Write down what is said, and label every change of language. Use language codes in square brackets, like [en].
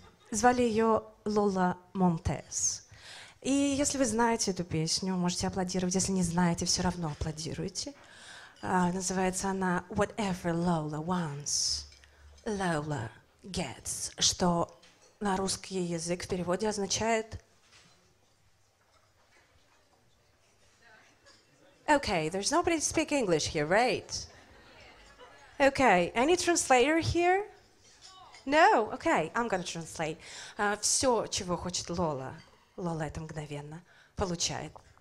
[ru] Звали ее Лола Монтес. И если вы знаете эту песню, можете аплодировать. Если не знаете, все равно аплодируйте. Называется она [en] «Whatever Lola wants, Lola gets», [ru] что на русский язык в переводе означает [en] «Okay, there's nobody to speak English here, right?» Okay, any translator here? No? Okay, I'm gonna translate. [ru] Все, чего хочет Лола, Лола это мгновенно получает.